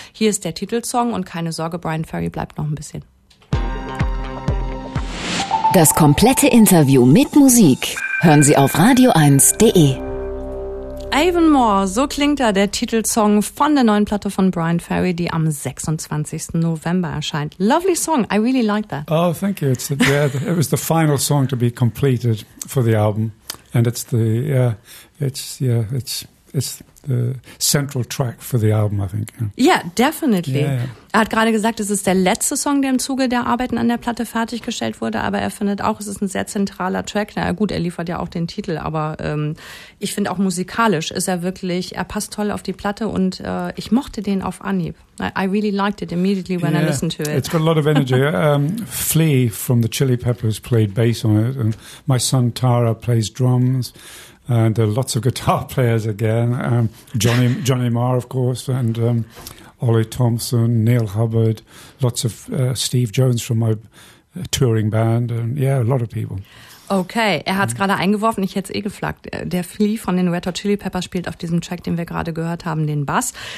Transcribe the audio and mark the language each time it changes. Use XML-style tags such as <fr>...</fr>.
<de>Hier ist der Titelsong und keine Sorge, Brian Ferry bleibt noch ein bisschen. Das komplette Interview mit Musik hören Sie auf radio1.de. Avonmore, so klingt er, der Titelsong von der neuen Platte von Brian Ferry, die am 26. November erscheint.</de> <en>Lovely song, I really like that. Oh, thank you. It was the final song to be completed for the album, and it's the central track for the album, I think. Yeah, definitely.</en> <de>Yeah, yeah. Er hat gerade gesagt, es ist der letzte Song, der im Zuge der Arbeiten an der Platte fertiggestellt wurde, aber er findet auch, es ist ein sehr zentraler Track. Na gut, er liefert ja auch den Titel, aber ich finde auch musikalisch ist er wirklich, er passt toll auf die Platte und ich mochte den auf Anhieb.</de> <en>I really liked it immediately when I listened to it. It's got a lot of energy. Flea from the Chili Peppers played bass on it and my son Tara plays drums. And there are lots of guitar players again. Johnny Marr, of course, and Ollie Thompson, Neil Hubbard, lots of Steve Jones from my touring band, and yeah, a lot of people.</en> <de>Okay, er hat's gerade eingeworfen, ich hätte es geflaggt. Der Flea von den Red Hot Chili Peppers spielt auf diesem Track, den wir gerade gehört haben, den Bass.</de>